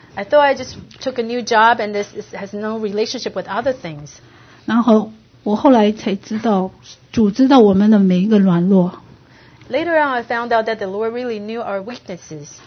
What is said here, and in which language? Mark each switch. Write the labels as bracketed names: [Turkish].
[English] I thought I just took a new job and this has no relationship with other things. [Chinese] 然后我后来才知道，主知道我们的每一个软弱。 [English] Later on, I found out that the Lord really knew our weaknesses.